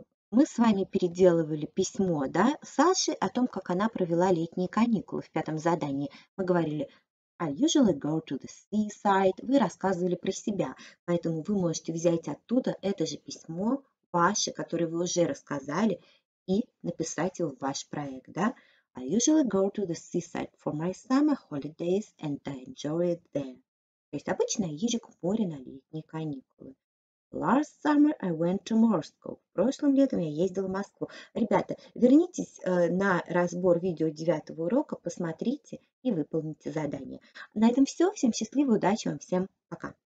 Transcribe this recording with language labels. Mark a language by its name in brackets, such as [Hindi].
[Russian] Мы с вами переделывали письмо, да, Саше о том, как она провела летние каникулы в пятом задании. Мы говорили [English] «I usually go to the seaside». [Russian] Вы рассказывали про себя, поэтому вы можете взять оттуда это же письмо ваше, которое вы уже рассказали, и написать его в ваш проект, да. [English] I usually go to the seaside for my summer holidays and I enjoy it there. [Russian] То есть обычно я езжу к морю на летние каникулы. [English] Last summer I went to Moscow. [Russian] Прошлым летом я ездила в Москву. Ребята, вернитесь на разбор видео 9 урока, посмотрите и выполните задание. На этом все. Всем счастливо, удачи вам всем. Пока.